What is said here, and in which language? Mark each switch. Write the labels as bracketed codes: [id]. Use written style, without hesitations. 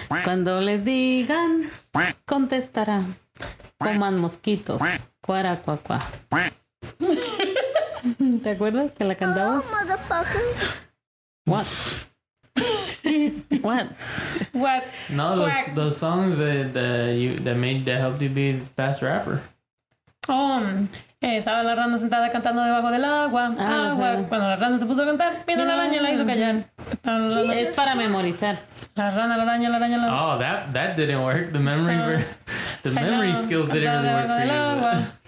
[es] Cuando les digan, contestará. Coman mosquitos. Cuara, cua, cua. ¿Te acuerdas que la cantabas? [en] Oh, motherfucker. What? What? What? No, those songs that helped you be a fast rapper. [es] Estaba la rana sentada cantando debajo del agua. Agua. Ajá. Cuando la rana se puso a cantar, vino la araña y la hizo callar. Es para memorizar. La rana, la araña, la araña, la araña. [en] Oh, that didn't work. The memory the memory skills didn't really work for you.